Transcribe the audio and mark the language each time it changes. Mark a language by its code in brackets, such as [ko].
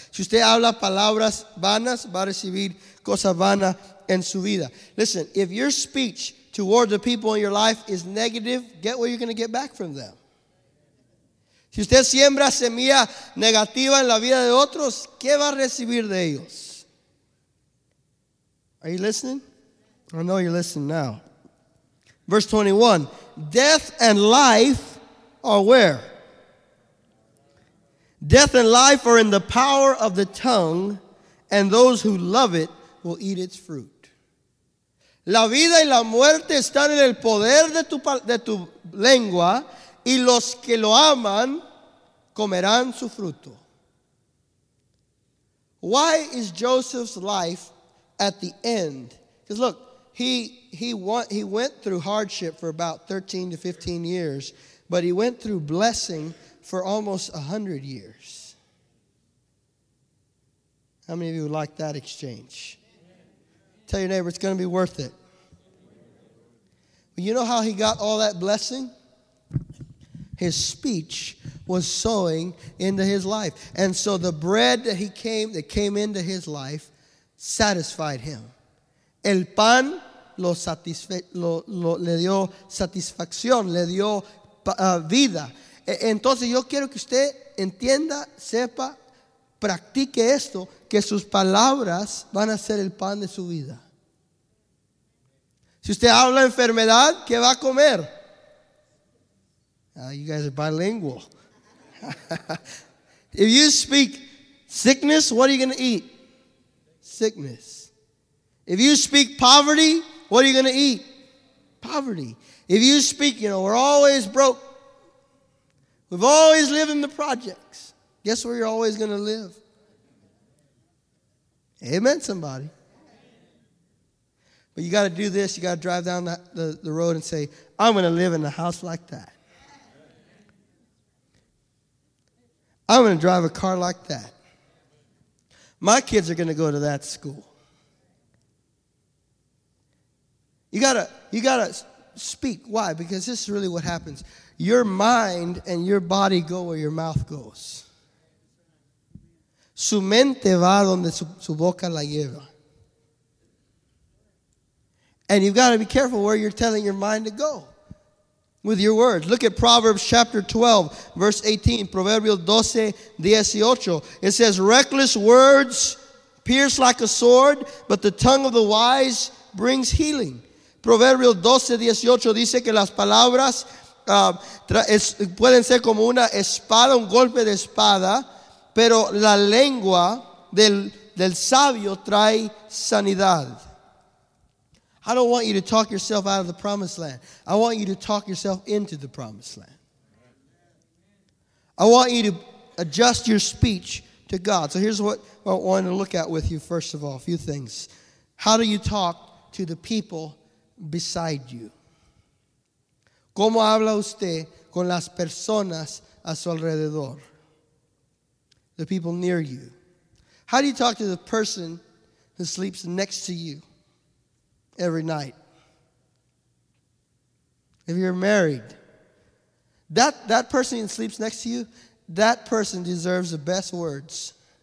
[es] Si usted habla palabras vanas, va a recibir cosas vanas en su vida. [en] Listen, if your speech toward the people in your life is negative, get what you're going to get back from them. [es] Si usted siembra semilla negativa en la vida de otros, ¿qué va a recibir de ellos? [en] Are you listening? I know you're listening now. Verse 21, death and life are where? Death and life are in the power of the tongue, and those who love it will eat its fruit. [es] La vida y la muerte están en el poder de tu lengua, y los que lo aman comerán su fruto. [en] Why is Joseph's life at the end? Because look, he went through hardship for about 13 to 15 years, but he went through blessing for almost 100 years. How many of you would like that exchange? Tell your neighbor, it's going to be worth it. You know how he got all that blessing? His speech was sowing into his life. And so the bread that came into his life satisfied him. [es] El pan le dio satisfacción, le dio vida. Entonces yo quiero que usted entienda, sepa, practique esto, que sus palabras van a ser el pan de su vida. Si usted habla enfermedad, ¿qué va a comer? [en] You guys are bilingual. If you speak sickness, what are you going to eat? Sickness. If you speak poverty, what are you going to eat? Poverty. If you speak, you know, we're always broke. We've always lived in the projects. Guess where you're always going to live? Amen, somebody. You got to do this. You got to drive down the road and say, I'm going to live in a house like that. I'm going to drive a car like that. My kids are going to go to that school. You got to speak. Why? Because this is really what happens. Your mind and your body go where your mouth goes. [es] Su mente va donde su boca la lleva. [en] And you've got to be careful where you're telling your mind to go with your words. Look at Proverbs chapter 12, verse 18. [es] Proverbios 12, 18. [en] It says, reckless words pierce like a sword, but the tongue of the wise brings healing. [es] Proverbios 12, 18 dice que las palabras pueden ser como una espada, un golpe de espada, pero la lengua del sabio trae sanidad. [en] I don't want you to talk yourself out of the promised land. I want you to talk yourself into the promised land. I want you to adjust your speech to God. So here's what I want to look at with you, first of all, a few things. How do you talk to the people beside you? [es] ¿Cómo habla usted con las personas a su alrededor? [en] The people near you. How do you talk to the person who sleeps next to you every night? If you're married, that person who sleeps next to you, that person deserves the best words.